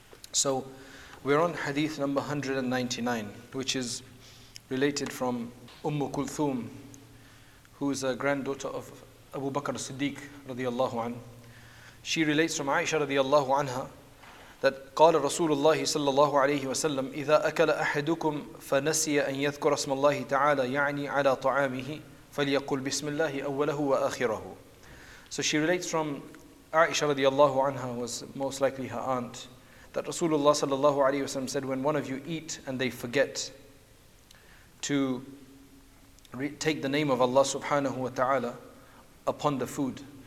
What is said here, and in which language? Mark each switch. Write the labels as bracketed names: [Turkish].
[English] So, we're on hadith number 199, which is related from Umm Kulthum, who is a granddaughter of Abu Bakr Siddiq radiyallahu anhu. She relates from Aisha radiyallahu anha that qala Rasulullah sallallahu alayhi wa sallam, [Arabic] إذا أكل أحدكم فنسي أن يذكر اسم الله تعالى يعني على طعامه فليقول بسم الله أوله وآخره. [English] So she relates from Aisha radiyallahu anha, who was most likely her aunt, that Rasulullah sallallahu alayhi wa sallam said, when one of you eat and they forget to take the name of Allah subhanahu wa ta'ala upon the food.